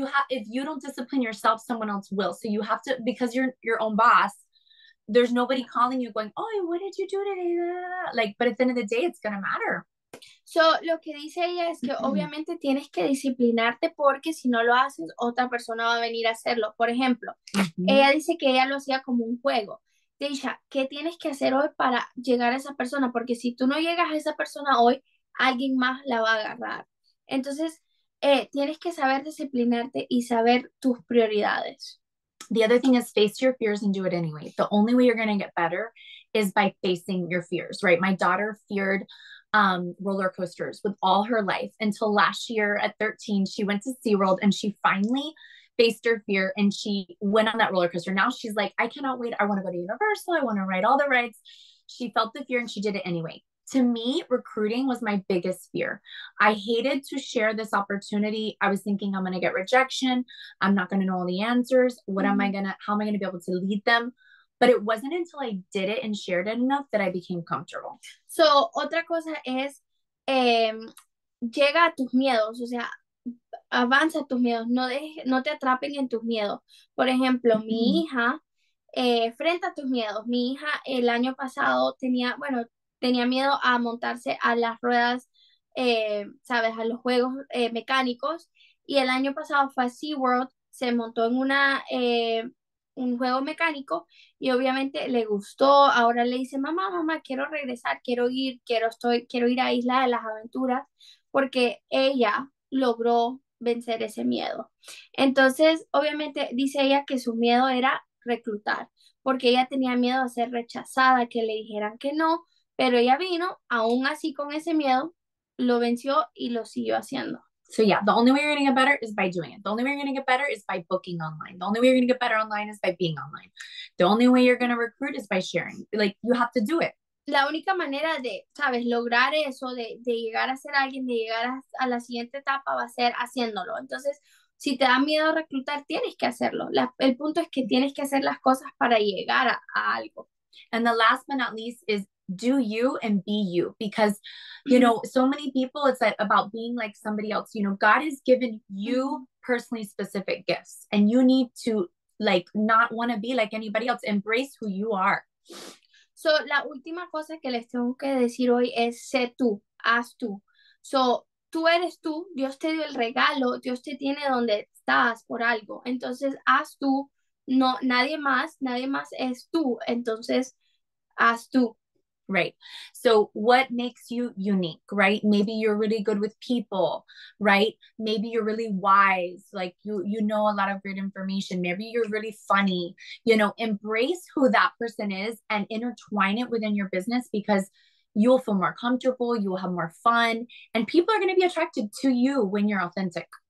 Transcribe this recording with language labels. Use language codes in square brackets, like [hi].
[en] if you don't discipline yourself, someone else will. So you have to, because you're your own boss, there's nobody calling you going, oh, what did you do today? Like, but at the end of the day, it's going to matter. [es] So, lo que dice ella es que obviamente tienes que disciplinarte, porque si no lo haces, otra persona va a venir a hacerlo. Por ejemplo, ella dice que ella lo hacía como un juego. Deisha, ¿qué tienes que hacer hoy para llegar a esa persona? Porque si tú no llegas a esa persona hoy, alguien más la va a agarrar. Entonces, tienes que saber disciplinarte y saber tus prioridades. [en] The other thing is face your fears and do it anyway. The only way you're going to get better is by facing your fears, right? My daughter feared roller coasters with all her life until last year at 13. She went to SeaWorld and she finally faced her fear and she went on that roller coaster. Now she's like, I cannot wait. I want to go to Universal. I want to ride all the rides. She felt the fear and she did it anyway. To me, recruiting was my biggest fear. I hated to share this opportunity. I was thinking I'm going to get rejection. I'm not going to know all the answers. How am I going to be able to lead them? But it wasn't until I did it and shared it enough that I became comfortable. [es] So, otra cosa es, llega a tus miedos. O sea, avanza tus miedos. No te atrapen en tus miedos. Por ejemplo, mi hija, enfrenta tus miedos. Mi hija el año pasado tenía miedo a montarse a las ruedas, a los juegos mecánicos. Y el año pasado fue a SeaWorld, se montó en un juego mecánico y obviamente le gustó. Ahora le dice, mamá, quiero regresar, quiero ir a Isla de las Aventuras, porque ella logró vencer ese miedo. Entonces, obviamente, dice ella que su miedo era reclutar, porque ella tenía miedo a ser rechazada, que le dijeran que no. Pero ella vino, aún así con ese miedo, lo venció y lo siguió haciendo. [en] So yeah, the only way you're going to get better is by doing it. The only way you're going to get better is by booking online. The only way you're going to get better online is by being online. The only way you're going to recruit is by sharing. Like, you have to do it. [es] La única manera de, sabes, lograr eso, de llegar a ser alguien, de llegar a la siguiente etapa, va a ser haciéndolo. Entonces, si te da miedo reclutar, tienes que hacerlo. El punto es que tienes que hacer las cosas para llegar a algo. [en] And the last but not least is, do you and be you, because you know, so many people, it's like about being like somebody else. You know, God has given you personally specific gifts, and you need to like not want to be like anybody else. Embrace who you are. [es] So la última cosa que les tengo que decir hoy es, sé tú, haz tú. So tú eres tú, Dios te dio el regalo, Dios te tiene donde estás por algo. Entonces haz tú, no, nadie más es tú. Entonces haz tú. [en] Right. So what makes you unique, right? Maybe you're really good with people, right? Maybe you're really wise, like you know a lot of great information. Maybe you're really funny. You know, embrace who that person is and intertwine it within your business, because you'll feel more comfortable, you'll have more fun, and people are going to be attracted to you when you're authentic.